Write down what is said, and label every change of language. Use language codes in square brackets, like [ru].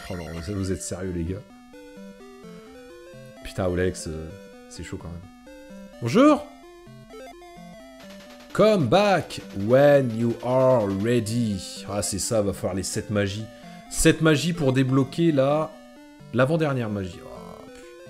[fr] Oh non, vous êtes sérieux, les gars. Putain, Olex, c'est chaud quand même. Bonjour. [en] Come back when you are ready. [fr] Ah, c'est ça, va falloir les 7 magies. 7 magies pour débloquer la... L'avant-dernière magie. Oh, putain.